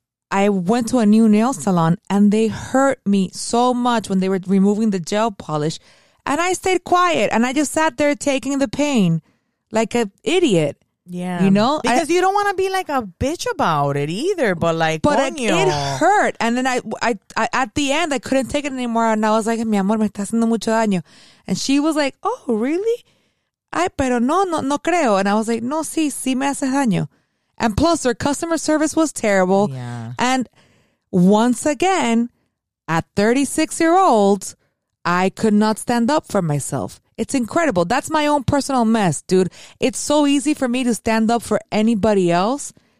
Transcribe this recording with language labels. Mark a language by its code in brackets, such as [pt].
[en] I went to a new nail salon and they hurt me so much when they were removing the gel polish, and I stayed quiet and I just sat there taking the pain like an idiot. Yeah. You know? Because you don't want to be like a bitch about it either, but like, but it hurt. And then I at the end, I couldn't take it anymore. And I was like, [es] mi amor, me está haciendo mucho daño. [en] And she was like, oh, really? [es] Ay, pero no creo. [en] And I was like, [es] no, sí me hace daño. [en] And plus, their customer service was terrible. Yeah. And once again, at 36 year old, I could not stand up for myself. It's incredible. That's my own personal mess, dude. It's so easy for me to stand up for anybody else.